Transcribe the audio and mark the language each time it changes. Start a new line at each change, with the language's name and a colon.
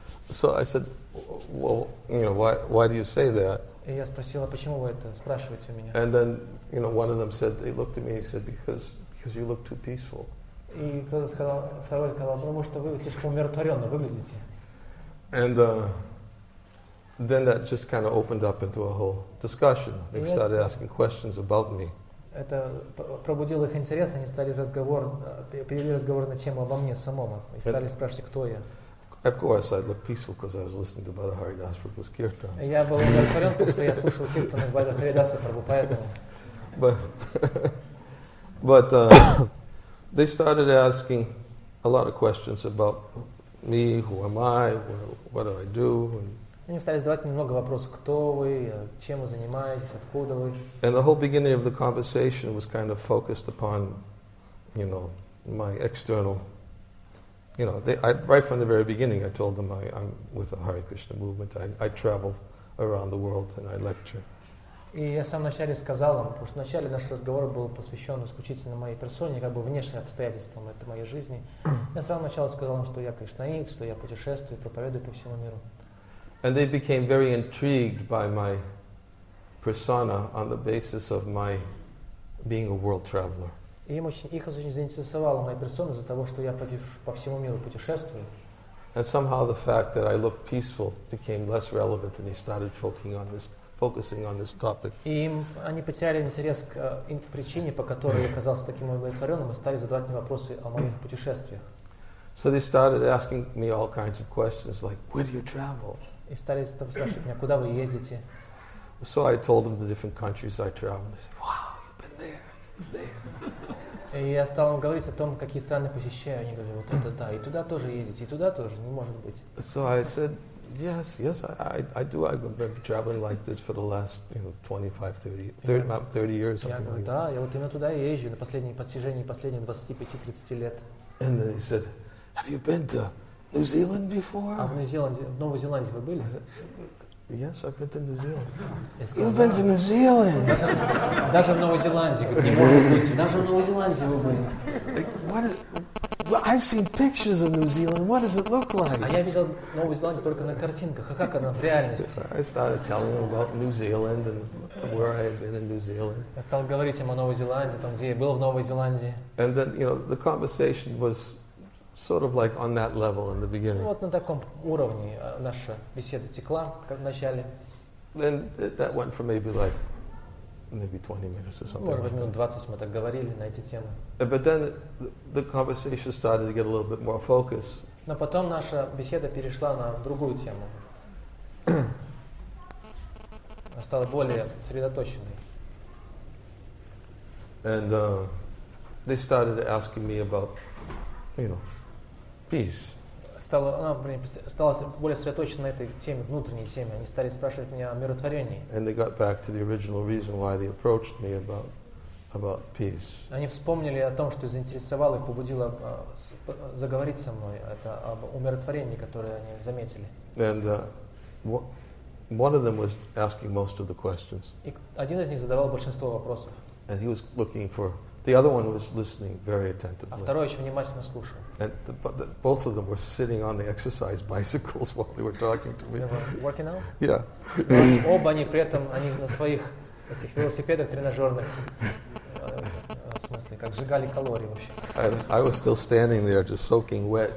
English: So I said, well, you know, why do you say that?
Russian: И я спросила, почему вы это спрашиваете у меня?
English: And then, you know, one of them said, they looked at me and said, because you look too peaceful.
Russian: И кто-то сказал, второй сказал, потому что вы слишком умиротворенно выглядите.
English: And then that just kind of opened up into a whole discussion. They started asking questions about me.
Russian: Это пробудило их интерес, они стали разговор, перевели разговор на тему обо мне самом, и стали спрашивать, кто я.
English: Of course, I looked peaceful because I was listening to Bada Haridasa Prabhu's kirtans.
Russian: Я был удовлетворен, потому что я слушал киртаны Бада Харидаса Прабху, поэтому.
English: But they started asking a lot of questions about me, who am I, what do I do.
Russian: Они стали задавать мне много вопросов, кто вы, чем вы занимаетесь, откуда вы.
English: And the whole beginning of the conversation was kind of focused upon, you know, my external, you know, right from the very beginning I told them I'm with the Hare Krishna movement. I travel around the world and I lecture.
Russian: И я сам вначале сказал им, потому что вначале наш разговор был посвящен исключительно моей персоне, как бы внешним обстоятельствам этой моей жизни. Я с самого начала сказал им, что я кришнаит, что я путешествую, проповедую по всему миру.
English: And they became very intrigued by my persona on the basis of my being a world traveler.
Russian: И их очень заинтересовала моя персона из-за того, что я по всему миру путешествую.
English: And somehow the fact that I looked peaceful became less relevant, and they started focusing on this topic.
Russian: И им они потеряли интерес к причине, по которой я оказался таким удовлетворенным, и стали задавать мне вопросы о моих путешествиях.
English: So they started asking me all kinds of questions, like, where do you travel?
Russian: И стали спрашивать меня, куда вы ездите?
English: So I told them the different countries I travel. They said, wow, you've been there, been there.
Russian: И я стал говорить о том, какие страны посещаю. Они говорили, вот это да, и туда тоже ездить, и туда тоже, не может быть.
English: So I said, yes, I do. I've been traveling like this for the last, you know, 25, 30 years.
Russian: Я говорю, да, я вот именно туда и езжу, на последние постижения, последние 25-30 лет.
English: And then he said, have you been to New Zealand before?
Russian: А в Нью-Зеландии, в Новой Зеландии вы были?
English: Yes, I've been to New Zealand. You've been to New Zealand.
Russian: Даже в Новой Зеландии, не может быть. Даже в Новой Зеландии вы были.
English: Well, I've seen pictures of New Zealand. What does it look like?
Russian: А я видел Новую Зеландию только на картинках. А как она в реальности?
English: I started telling them about New Zealand and where I had been in New Zealand.
Russian: Я стал говорить им о Новой Зеландии, там, где я был в Новой Зеландии.
English: And then, you know, the conversation was sort of like on that level in the beginning.
Russian: Вот на таком уровне наша беседа текла в начале.
English: Then that went for maybe 20 minutes or something.
Russian: Может быть, минут 20 мы так говорили на эти темы.
English: But then the conversation started to get a little bit more focus.
Russian: Но потом наша беседа перешла на другую тему. Она стала более сосредоточенной.
English: And they started asking me about, you know, peace.
Russian: Стала более сосредоточена на этой теме, внутренней теме. Они стали спрашивать меня о миротворении.
English: And they got back to the original reason why they approached me about peace.
Russian: Они вспомнили о том, что заинтересовало и побудило заговорить со мной. Это об умиротворении, которое они заметили.
English: And one of them was asking most of the questions.
Russian: И один из них задавал большинство вопросов.
English: And he was looking for... The other one was listening very attentively.
Russian: А второй еще внимательно слушал.
English: And both of them were sitting on the exercise bicycles while they were talking to me. They were working out? Yeah.
Russian: Оба они при этом, они на своих этих велосипедах тренажерных, в смысле, как сжигали калории вообще.
English: I was still standing there, just soaking wet.